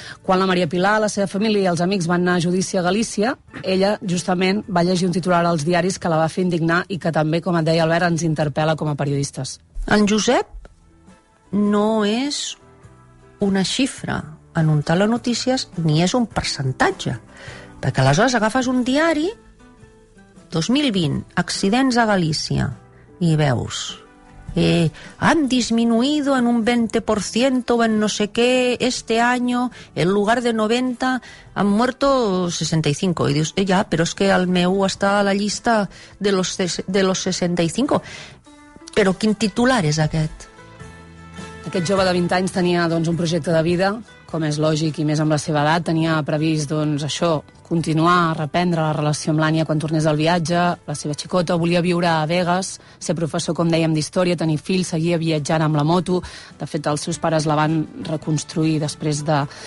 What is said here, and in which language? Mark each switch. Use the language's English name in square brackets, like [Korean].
[Catalan] Quan la Maria Pilar, la seva família i els amics van anar a judici a Galícia, ella justament va llegir un titular als diaris que la va fer indignar i que també, com et deia Albert, ens interpel·la com a periodistes. En Josep no és una xifra en un telenotícies ni és un percentatge, perquè aleshores agafes un diari, 2020, accidents a Galícia, i veus... [Spanish] han disminuido en un 20% o en no sé qué este año, en lugar de 90 han muerto 65, y dius, ya, pero es que [Catalan] el meu està a la llista [Spanish] de los 65. [Catalan] Però quin titular és aquest? Aquest jove de 20 anys tenia doncs un projecte de vida, com és lògic, i més amb la seva edat, tenia previst doncs això, continuar a reprendre la relació amb l'Ània quan tornés del viatge, la seva xicota, volia viure a Vegas, ser professor, com dèiem, d'història, tenir fills, seguia viatjant amb la moto, de fet els seus pares la van reconstruir després de